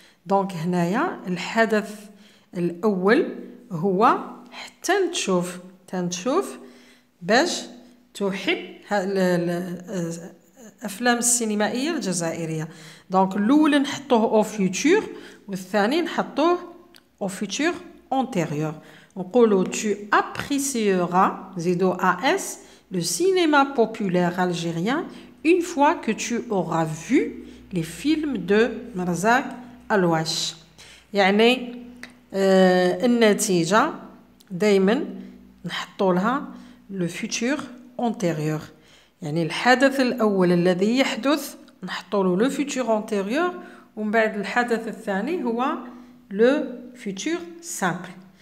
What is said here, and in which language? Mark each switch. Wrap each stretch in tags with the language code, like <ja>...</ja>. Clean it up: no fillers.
<ar>دونك هنايا الحدث الأول هو حتى تشوف باش تحب الأفلام السينمائية الجزائرية. دونك الأول نحطوه أو فيتور والثاني نحطوه أو فيتور أنتيريور. نقولو</ar> <fr>tu apprécieras</fr> <ar>زيدو</ar> <fr>AS le cinéma populaire algérien une fois que tu auras vu les films de Merzak Alouache.</fr> <ar>يعني النتيجة دايما نحطو لها</ar> <fr>le futur antérieur.</fr> <ar>يعني الحدث الأول الذي يحدث نحطو له</ar> <fr>le futur antérieur</fr> <ar>ومن بعد الحدث الثاني هو</ar> <fr>le futur simple.</fr>